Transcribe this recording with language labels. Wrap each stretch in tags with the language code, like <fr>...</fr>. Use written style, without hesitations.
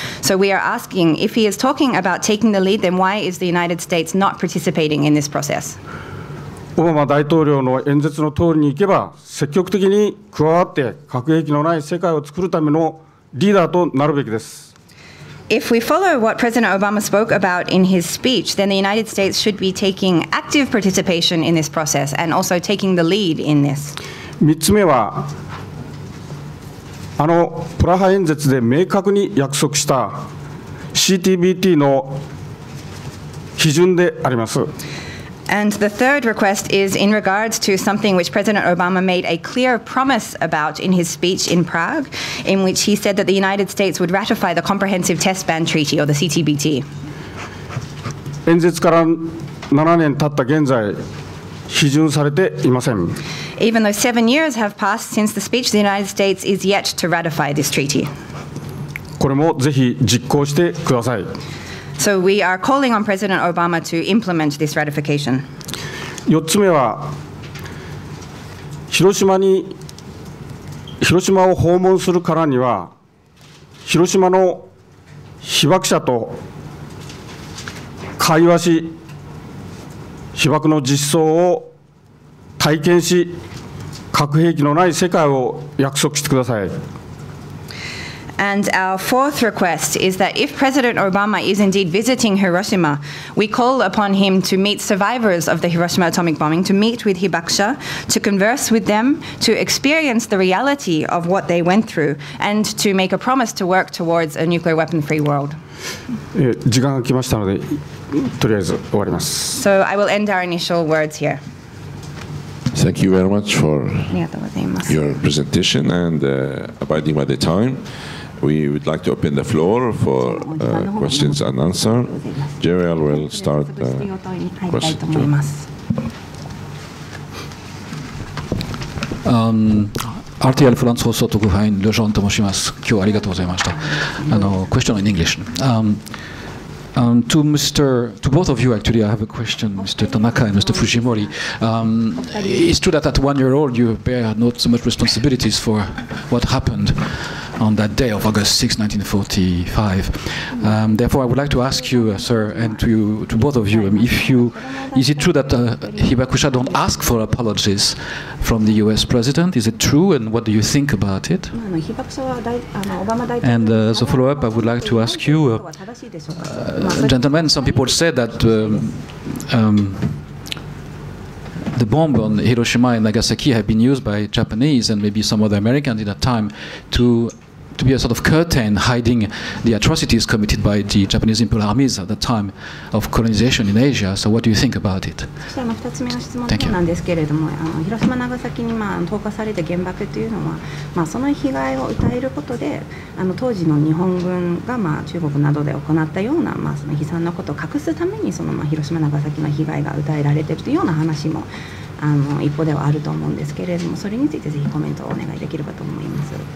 <en>So we are asking, if he is talking about taking the lead, then why is the United States not participating in this process?</en> <ja>オバマ大統領の演説の通りにいけば、積極的に加わって核兵器のない世界を作るためのリーダーとなるべきです。</ja> <en>If we follow what President Obama spoke about in his speech, then the United States should be taking active participation in this process and also taking the lead in this.</en> <ja>3つ目は、あのプラハ演説で明確に約束した CTBT の基準であります。</ja> <en>And the third request is in regards to something which President Obama made a clear promise about in his speech in Prague, in which he said that the United States would ratify the Comprehensive Test Ban Treaty, or the CTBT.</en> <ja>演説から7年経った現在、批准されていません。</ja> <en>even though 7 years have passed since the speech, the United States is yet to ratify this treaty.</en> <ja>これもぜひ実行してください。</ja> <en>So we are calling on President Obama to implement this ratification.</en> <ja>4つ目は広島を訪問するからには広島の被爆者と会話し被爆の実相を体験し核兵器のない世界を約束してください。</ja> <en>And our fourth request is that if President Obama is indeed visiting Hiroshima, we call upon him to meet survivors of the Hiroshima atomic bombing, to meet with Hibakusha, to converse with them, to experience the reality of what they went through, and to make a promise to work towards a nuclear weapon-free world.</en> <ja>時間が来ましたので、とりあえず終わります。</ja> <en>So I will end our initial words here. Thank you very much for your presentation and abiding by the time. We would like to open the floor for questions and answers. JRL will start the question.</en> <ja>RTL フランス放送特派員ルジョンと申します。今日はありがとうございました。</ja> <en>Question in English. To both of you, actually, I have a question, Mr. Tanaka and Mr. Fujimori. It's true that at 1 year old, you bear not so much responsibilities for what happened on that day of August 6, 1945. Therefore, I would like to ask you, sir, and to both of you, is it true that Hibakusha don't ask for apologies from the U.S. president? Is it true, and what do you think about it? And as a follow-up, I would like to ask you, gentlemen, some people said that the bomb on Hiroshima and Nagasaki had been used by Japanese and maybe some other Americans in that time to be a sort of curtain hiding the atrocities committed by the Japanese Imperial Armies at the time of colonization in Asia. So what do you think about it? Thank you.</en> <ja>なんですけれども、広島長崎に投下された原爆というのは、その被害を訴えることで、当時の日本軍が中国などで行ったような、その悲惨なことを隠すために、その広島長崎の被害が訴えられているというような話も、一方ではあると思うんですけれども、それについてぜひコメントをお願いできればと思います。</ja>